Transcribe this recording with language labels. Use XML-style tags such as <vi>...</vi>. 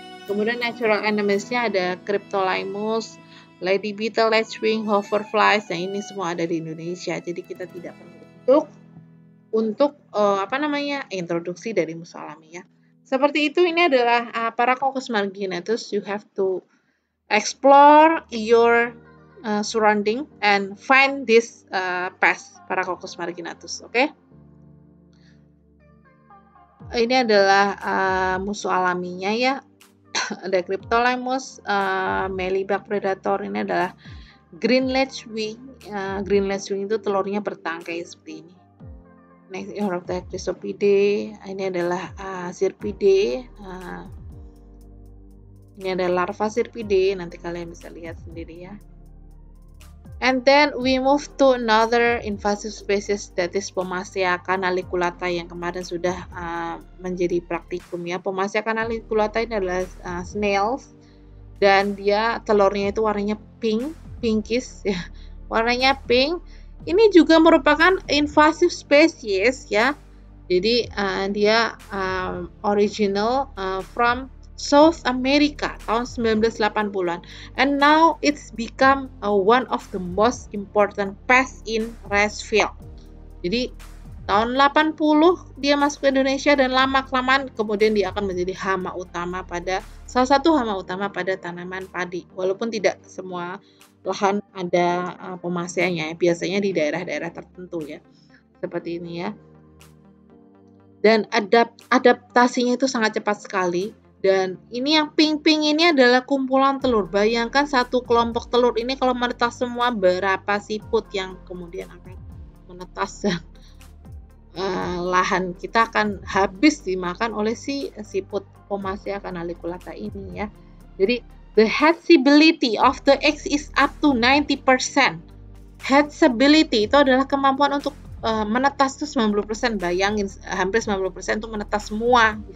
<id>Kemudian natural enemies-nya ada Cryptolemus, lady beetle, lacewing, hoverflies, yang ini semua ada di Indonesia, jadi kita tidak perlu untuk introduksi dari musuh alami ya. Seperti itu, ini adalah Paracoccus marginatus.</id> <en>You have to explore your surrounding and find this pest, Paracoccus marginatus. Oke, okay?</en> <id>Ini adalah musuh alaminya ya. Ada Cryptolemus, Mealybug predator. Ini adalah green lacewing. Green lacewing itu telurnya bertangkai seperti ini. Next, Eurotech Chrysopidae. Ini adalah Cirpidae. Ini adalah larva Cirpidae. Nanti kalian bisa lihat sendiri ya.</id> <en>And then we move to another invasive species, that</en> <id>is Pomacea canaliculata, yang kemarin sudah menjadi praktikum ya. Pomacea canaliculata ini adalah snails dan dia telurnya itu warnanya pink, pinkish ya. Warnanya pink. Ini juga merupakan invasive species ya. Jadi dia</id> <en>original from South America</en> <id>tahun 1980-an,</id> <en>and now it's become one of the most important pest in rice field.</en> <id>Jadi tahun 80 dia masuk ke Indonesia dan lama-kelamaan kemudian dia akan menjadi hama utama pada salah satu hama utama pada tanaman padi. Walaupun tidak semua lahan ada pomaseanya, biasanya di daerah-daerah tertentu ya. Seperti ini ya. Dan adaptasinya itu sangat cepat sekali. Dan ini yang pink-pink ini adalah kumpulan telur. Bayangkan satu kelompok telur ini kalau menetas semua, berapa siput yang kemudian akan menetas dan lahan kita akan habis dimakan oleh si siput Pomacea canaliculata ini ya. Jadi</id> <en>the hatchability of the eggs is up to 90%.</en> <id>Hatchability itu adalah kemampuan untuk menetas itu 90%. Bayangin hampir 90% itu menetas semua.</id>